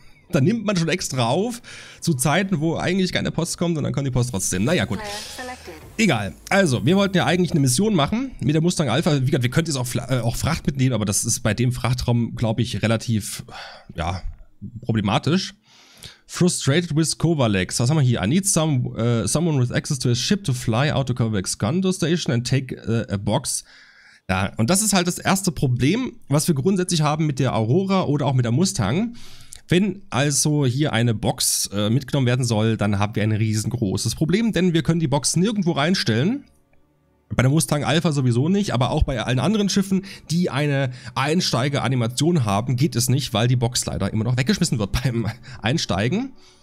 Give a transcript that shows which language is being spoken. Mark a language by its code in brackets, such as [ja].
[de] Da nimmt man schon extra auf zu Zeiten, wo eigentlich keine Post kommt, und dann kommt die Post trotzdem. Naja, gut. Egal. Also, wir wollten ja eigentlich eine Mission machen mit der Mustang Alpha. Wie gesagt, wir könnten jetzt auch Fracht mitnehmen, aber das ist bei dem Frachtraum, glaube ich, relativ, ja, problematisch. [en] Frustrated with Kovalex. [de] Was haben wir hier? [en] I need someone with access to a ship to fly out to Kovalex Gondo Station and take a box. [de] Ja, und das ist halt das erste Problem, was wir grundsätzlich haben mit der Aurora oder auch mit der Mustang. Wenn also hier eine Box mitgenommen werden soll, dann haben wir ein riesengroßes Problem, denn wir können die Box nirgendwo reinstellen. Bei der Mustang Alpha sowieso nicht, aber auch bei allen anderen Schiffen, die eine Einsteigeanimation haben, geht es nicht, weil die Box leider immer noch weggeschmissen wird beim Einsteigen.